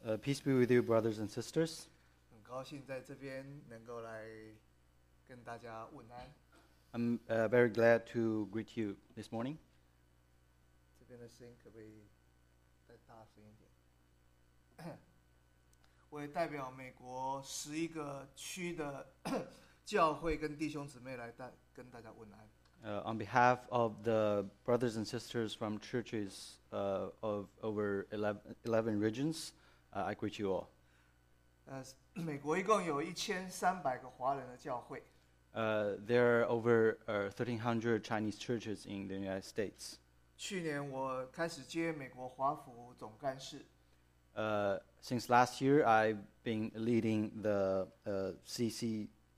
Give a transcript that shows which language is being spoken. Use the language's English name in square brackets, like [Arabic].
[English] Peace be with you, brothers and sisters. [Chinese] 很高兴在这边能够来跟大家问安。 [English] I'm very glad to greet you this morning. [Chinese] 这边的声音可不可以再大声一点？我也代表美国十一个区的教会跟弟兄姊妹来跟大家问安。 [English] On behalf of the brothers and sisters from churches of over 11 regions, I greet you all. [Chinese] 美国一共有1300个华人的教会。 [English] There are over 1300 Chinese churches in the United States. [Chinese] 去年我开始接美国华府总干事。 [English] Since last year, I've been leading the CCCOWE.